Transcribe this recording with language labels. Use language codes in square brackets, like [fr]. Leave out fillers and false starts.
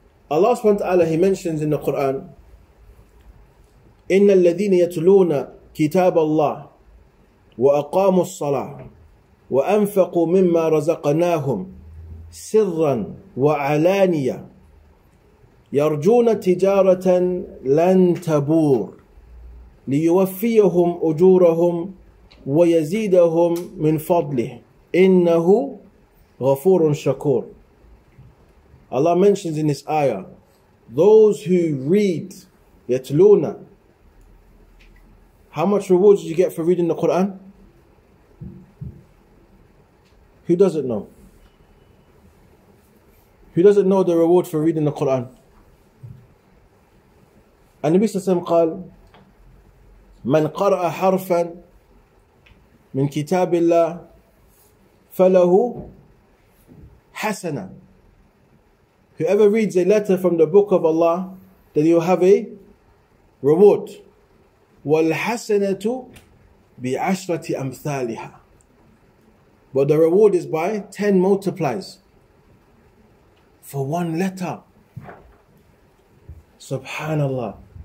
[en] Allah subhanahu wa ta'ala, he mentions in the Quran, [ar] إِنَّ الَّذِينَ يَتْلُونَ كِتَابَ اللَّهِ وَأَقَامُوا الصَّلَاةِ وَأَنفَقُوا مِمَّا رَزَقَنَاهُمْ سِرًّا وَعَلَانِيَةً يَرْجُونَ تِجَارَةً لَن تَبُورَ لِيُوَفِّيَهُمْ أُجُورَهُمْ وَيَزِيدَهُمْ مِنْ فَضْلِهِ إِنَّهُ غَفُورٌ شَكُورٌ. [en] Allah mentions in this ayah, those who read, yatluna, how much rewards did you get for reading the Quran? Who doesn't know? Who doesn't know the reward for reading the Quran? And Nabi sallallahu alayhi wa sallam qal, [ar] من قرأ حرفا من كتاب الله فله حسنة. [en] Whoever reads a letter from the book of Allah, then you have a reward. [ar] والحسنة بعشرة أمثالها. [en] But the reward is by 10 multiplies for one letter. Subhanallah.